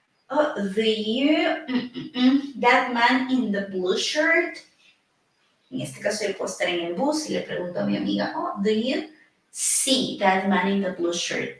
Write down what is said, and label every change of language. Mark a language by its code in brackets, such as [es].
[en] Oh, do you, that man in the blue shirt? [es] En este caso, yo puedo estar en el bus y le pregunto a mi amiga, oh, [en] do you see that man in the blue shirt?